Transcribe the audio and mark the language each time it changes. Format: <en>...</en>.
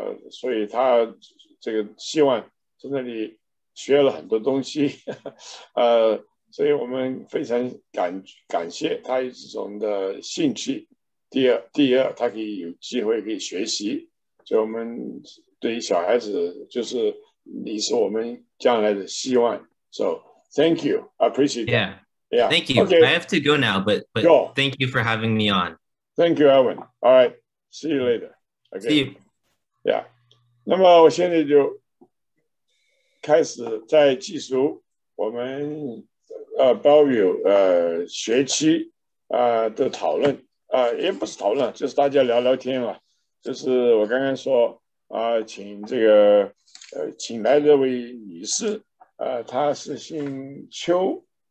<zh>所以他这个希望在那里学了很多东西，所以我们非常感谢他有这种的兴趣。第二，他可以有机会可以学习，所以我们对于小孩子就是你是我们将来的希望。</zh> <en>So thank you, I appreciate it. Yeah, thank you. Okay. I have to go now, but go. Thank you for having me on. Thank you, Alvin. All right, see you later. Okay. See you. Yeah.</en> <zh>那么我现在就开始在计数我们Bellevue 学期的讨论。也不是讨论，就是大家聊聊天嘛。就是我刚刚说，请这个，请来这位女士，她是姓邱，</zh>